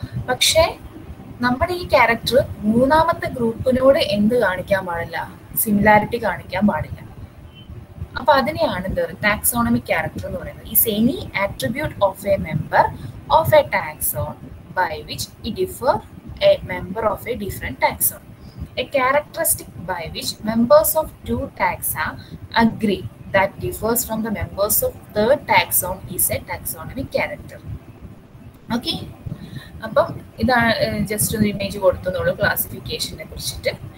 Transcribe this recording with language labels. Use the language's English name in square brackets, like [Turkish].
[Malayalam] പക്ഷേ നമ്മുടെ ഈ ക്യാരക്ടർ മൂന്നാമത്തെ ഗ്രൂപ്പിനോട് എന്ത് കാണിക്കാൻ പാടില്ല, സിമിലാരിറ്റി കാണിക്കാൻ പാടില്ല. അപ്പൊ അതിനെയാണ് എന്താ പറയുക, ടാക്സോണമിക് ക്യാരക്ടർ എന്ന് പറയുന്നത്. [English] Is any attribute of a member of a taxon by which it differ a member of a different taxon. A characteristic by which members of two taxa agree that differs from the members of third taxon is a taxonomic character. Okay? [Malayalam] അപ്പൊ ഇതാണ് just ഒരു image കൊടുത്തുള്ളൂ ക്ലാസിഫിക്കേഷനെ കുറിച്ചിട്ട്.